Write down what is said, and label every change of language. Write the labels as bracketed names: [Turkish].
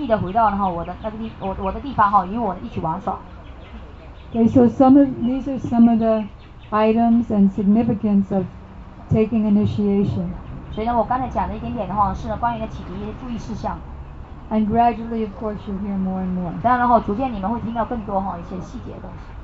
[Chinese] 那么他们如果能够真正的遵守这个日子的话呢，就能够亲密的回到我的地方，与我一起玩耍。 [English] Okay, so these are some of the items and significance of taking initiation. [Chinese] 所以呢我刚才讲的一点点的话是关于启迪注意事项 [English] And gradually of course you'll hear more and more [Chinese] 当然逐渐你们会听到更多一些细节的东西